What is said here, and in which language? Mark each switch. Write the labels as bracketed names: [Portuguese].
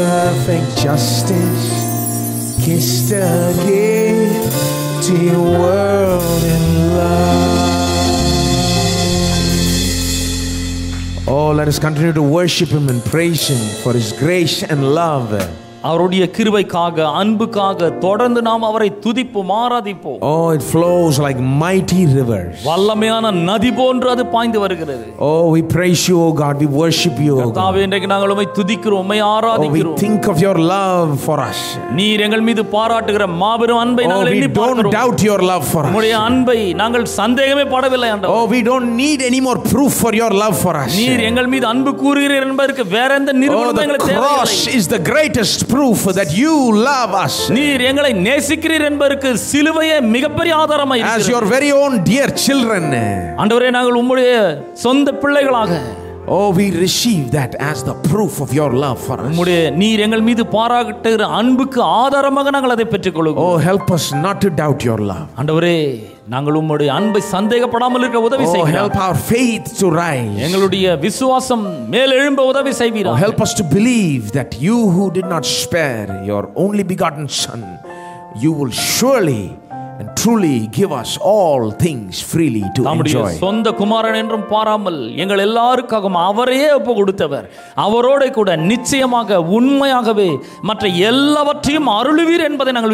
[English] Justice kissed a guilty world in love. Oh, let us continue to worship him and praise him for his grace and love. [Tamil] அவருடைய கிருபைக்காக அன்புக்காக தொடர்ந்து நாம் அவரை துதிப்போம், ஆராதிப்போம். [English] Oh, it flows like mighty rivers. [Tamil] வல்லமையான நதி போன்று அது பாய்ந்து வருகிறது. [English] Oh, we praise you, O God. We worship you, O God. [Tamil] கர்த்தாவே, இன்றைக்கு நாங்கள் உம்மை துதிக்கிறோம், உம்மை ஆராதிக்கிறோம். [English] Oh, we think of your love for us. [Tamil] நீர் எங்கள் மீது பாராட்டுகிற மாபெரும் அன்பை நாங்கள் எண்ணி பார்க்கிறோம். [English] Oh, we don't doubt your love for us. [Tamil] உம்முடைய அன்பை நாங்கள் சந்தேகமே படவில்லை ஆண்டவரே. [English] Oh, we don't need any more proof for your love for us. [Tamil] நீர் எங்கள் மீது அன்பு கூறுகிறீர் என்பதற்கு வேற எந்த நிரூபணமும் எங்களுக்கு தேவையில்லை. [English] Oh, the cross is the greatest proof that you love us. [Tamil] நீர் எங்களை நேசிக்கிறீர் என்பதற்கு சிலுவையே மிகப்பெரிய ஆதாரமாக இருக்கிறது. [English] As your very own dear children. [Tamil] ஆண்டவரே, நாங்கள் உம்முடைய சொந்த பிள்ளைகளாக. [English] Oh, we receive that as the proof of your love for us. [Tamil] உம்முடைய நீர் எங்கள் மீது பாராட்டுகிற அன்புக்கு ஆதாரமாக நாங்கள் அதை பெற்றுக்கொள்கிறோம். [English] Oh, help us not to doubt your love. [Tamil] ஆண்டவரே, நாங்கள் உம்முடைய அன்பை சந்தேகப்படாமல் இருக்க உதவி செய்வீர். [English] Oh, help our faith to rise. [Tamil] எங்களுடைய விசுவாசம் மேல் எழும்ப உதவி செய்வீர். [English] Oh, help us to believe that you who did not spare your only begotten son, you will surely and truly give us all things freely to enjoy. [Tamil] நம்முடைய சொந்த குமாரன் என்றும் பாராமல் எங்கள் எல்லாருக்காகவும் அவரையே ஒப்பு கொடுத்தவர், அவரோடு கூட நிச்சயமாக உண்மையாகவே மற்ற எல்லாவற்றையும் அருளுவீர் என்பதை நாங்கள்